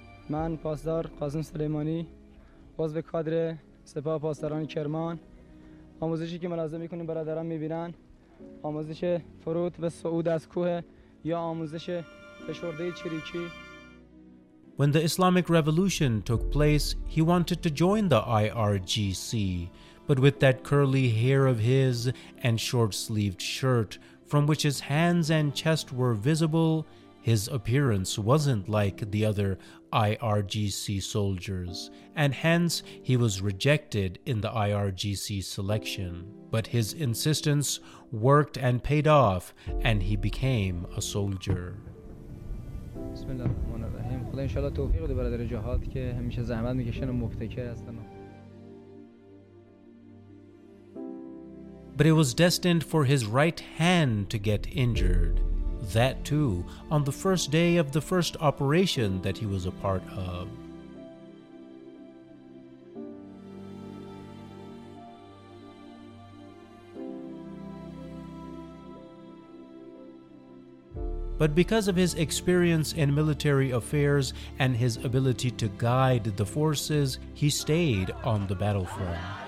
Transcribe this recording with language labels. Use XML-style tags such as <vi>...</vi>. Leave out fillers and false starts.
<fa>من پاسدار قاسم سلیمانی عضو کادر سپاه پاسداران کرمان آموزشی که ملازم میکنیم برادران میبینن آموزش فرود و صعود از کوه یا آموزش فشرده چریکی</fa> <en>When the Islamic Revolution took place, he wanted to join the IRGC, but with that curly hair of his and short-sleeved shirt, from which his hands and chest were visible, his appearance wasn't like the other IRGC soldiers, and hence he was rejected in the IRGC selection. But his insistence worked and paid off, and he became a soldier.</en> <fa>بسم الله الرحمن الرحیم خدا ان توفیق بده برادر جهاد که همیشه زحمت میکشن و مبتکر هستن</fa> <en>But it was destined for his right hand to get injured that too on the first day of the first operation that he was a part of But because of his experience in military affairs and his ability to guide the forces, he stayed on the battlefront.</en>